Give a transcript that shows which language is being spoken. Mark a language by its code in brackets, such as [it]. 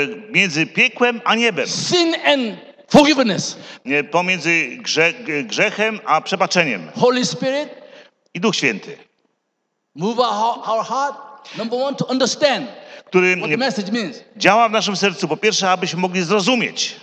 [pl] między piekłem a niebem, [en] sin and forgiveness, [pl] pomiędzy grzechem a przebaczeniem, [en] Holy Spirit [pl] i Duch Święty, [en] move our heart, number one, to understand, [pl] który [en] what the message means, [pl] działa w naszym sercu, po pierwsze, abyśmy mogli zrozumieć,